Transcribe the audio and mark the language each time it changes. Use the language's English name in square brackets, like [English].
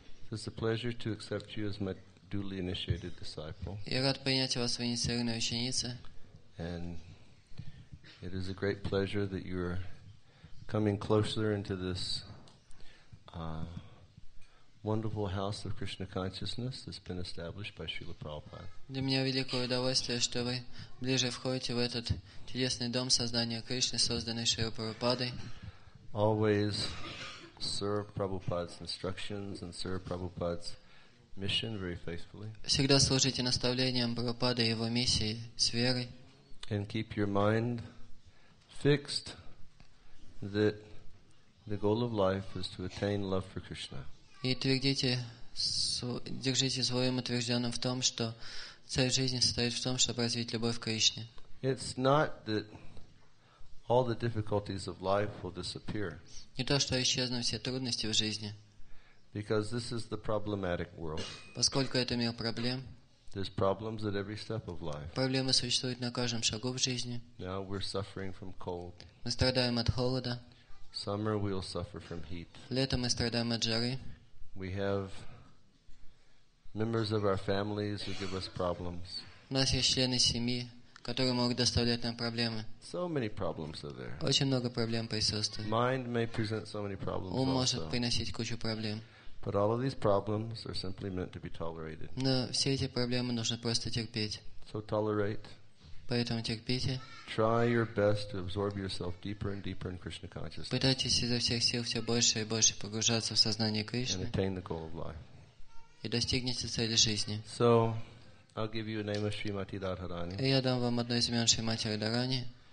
[English] It's a pleasure to accept you as my duly initiated disciple. [Russian] Я рад принять вас в инициированную ученицу. [English] And it is a great pleasure that you are coming closer into this wonderful house of Krishna consciousness that's been established by Srila Prabhupada. [Russian] Для меня великое удовольствие, что вы ближе входите в этот чудесный дом сознания Кришны, созданный Шрила Прабхупадой. [English] Always serve Prabhupada's instructions and serve Prabhupada's mission very faithfully. [Russian] Всегда служите наставлениям Прабхупады и его миссии с верой. [English] And keep your mind fixed that the goal of life is to attain love for Krishna. [Russian] И твердите, держите своим утверждённым в том, что цель жизни состоит в том, чтобы развить любовь к Кришне. [English] It's not that all the difficulties of life will disappear. [Russian] Не то, что исчезнут все трудности в жизни. [English] Because this is the problematic world. [Russian] Поскольку это мир проблем. [English] There's problems at every step of life. [Russian] Проблемы существуют на каждом шагу в жизни. [English] Now we're suffering from cold. [Russian] Мы страдаем от холода. [English] Summer we'll suffer from heat. [Russian] Летом мы страдаем от жары. [English] We have members of our families who give us problems. [Russian] У нас есть члены семьи, которые могут доставлять нам проблемы. [English] So many problems are there. [Russian] Очень много проблем присутствует. [English] Mind may present so many problems. [Russian] Ум может приносить кучу проблем. [English] But all of these problems are simply meant to be tolerated. [Russian] Но все эти проблемы нужно просто терпеть. [English] So tolerate. [Russian] Поэтому терпите. [English] Try your best to absorb yourself deeper and deeper in Krishna consciousness. [Russian] Пытайтесь изо всех сил все больше и больше погружаться в сознание Кришны. [English] And attain the goal of life. [Russian] И достигните цели жизни. [English] So I'll give you a name of Srimati Radharani. [Russian] Я дам вам одно из имен Шримати Радхарани.